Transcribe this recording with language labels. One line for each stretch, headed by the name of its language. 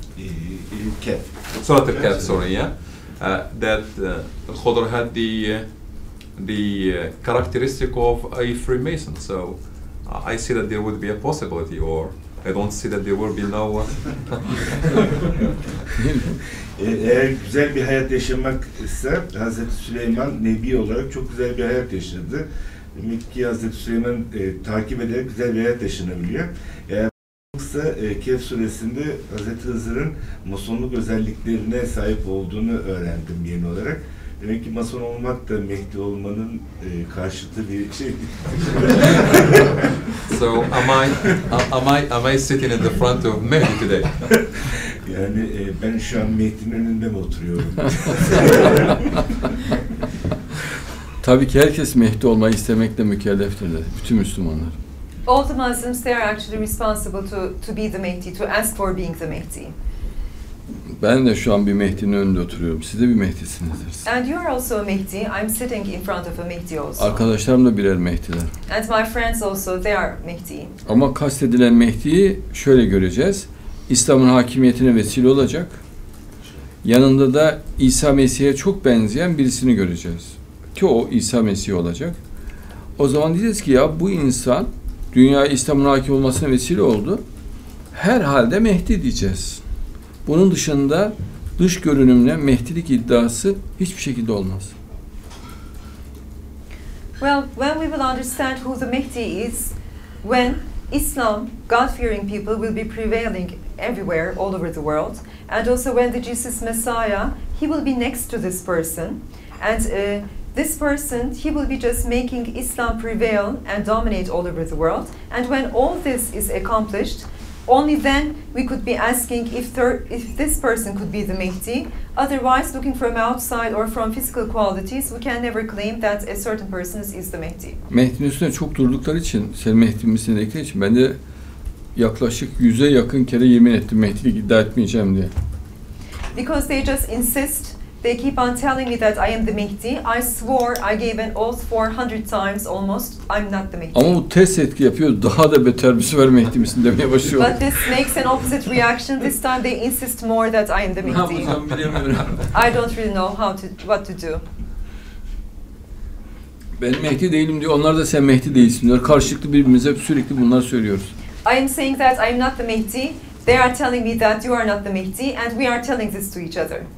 English: In Kef. Surah Al-Kef, sorry, yeah. That Khadr had the characteristic of a Freemason. So I see that there would be a possibility, or I don't see that there will be no one.
Turkish: Eğer güzel bir hayat yaşamak ise Hazreti Süleyman Nebi olarak çok güzel bir hayat yaşadı. Demek ki Hazreti Süleyman takip ederek güzel bir hayat yaşanabiliyor. Yoksa Kehf suresinde Hazreti Hızır'ın masonluk özelliklerine sahip olduğunu öğrendim yeni olarak. Demek ki mason olmak da Mehdi olmanın karşıtı bir şey.
English: So am I sitting in the front of Mehdi today?
Turkish: Yani ben şu an Mehdi'nin önünde mi oturuyorum? Tabii ki herkes Mehdi olmayı istemekle mükelleftir de, bütün Müslümanlar.
English: All the Muslims, they are actually responsible to be the Mehdi, to ask for being the Mehdi.
Turkish: Ben de şu an bir Mehdi'nin önünde oturuyorum. Siz de bir Mehdi'sinizdir.
English: And you are also a Mehdi. I'm sitting in front of a Mehdi also.
Turkish: Arkadaşlarım da birer Mehdi'ler.
English: And my friends also, they are Mehdi.
Turkish: Ama kastedilen Mehdi'yi şöyle göreceğiz. İslam'ın hakimiyetine vesile olacak. Yanında da İsa Mesih'e çok benzeyen birisini göreceğiz. Ki o İsa Mesih olacak. O zaman diyeceğiz ki ya bu insan dünya İslam'ın hakim olmasına vesile oldu. Herhalde Mehdi diyeceğiz. Bunun dışında dış görünümle Mehdilik iddiası hiçbir şekilde olmaz.
English: Well, when we will understand who the Mehdi is, when Islam, God-fearing people will be prevailing everywhere, all over the world, and also when the Jesus Messiah, he will be next to this person, and this person, he will be just making Islam prevail and dominate all over the world. And when all this is accomplished, only then we could be asking if this person could be the Mehdi. Otherwise, looking from outside or from physical qualities, we can never claim that a certain person is the Mehdi.
Turkish: Mehdi'nin üstüne çok durdukları için, sen Mehdi misin dedikleri için, ben de yaklaşık 100'e yakın kere yemin ettim Mehdi'yi iddia etmeyeceğim diye.
English: Because they just insist. They keep on telling me that I am the Mehdi. I swore, I gave an oath 400 times almost, I'm not the Mehdi.
Turkish: Ama bu test etki yapıyor, daha da beter bir süper Mehdi misin demeye başlıyor.
English: But this makes an opposite reaction. This time they insist more that I am the Mehdi.
Turkish: Ne yapacağım bilemiyorum.
English: I don't really know what to do.
Turkish: Ben Mehdi değilim diyor, onlar da sen Mehdi değilsin diyor. Karşılıklı birbirimize sürekli bunlar söylüyoruz.
English: I am saying that I am not the Mehdi. They are telling me that you are not the Mehdi and we are telling this to each other.